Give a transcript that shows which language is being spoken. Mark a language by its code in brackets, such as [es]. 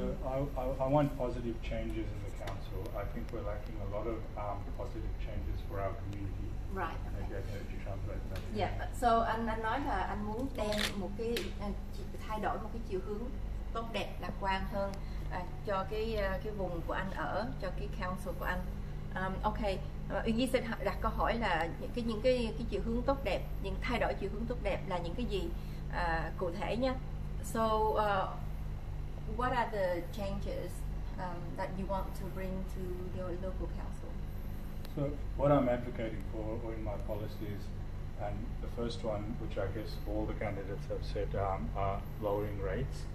[en] So I want positive changes in the council. I think we're lacking a lot of positive changes for our community. Right. Okay. Yeah. [vi] So anh nói là anh muốn đem một cái thay đổi một cái chiều hướng tốt đẹp, lạc quan hơn cho cái vùng của anh ở, cho cái council của anh. Okay. Uyên Nhi sẽ đặt câu hỏi là những cái chiều hướng tốt đẹp, những thay đổi chiều hướng tốt đẹp là những cái gì? Cụ thể nhé. [en] So what are the changes that you want to bring to your local council? So what I'm advocating for in my policies, and the first one, which I guess all the candidates have said, are lowering rates.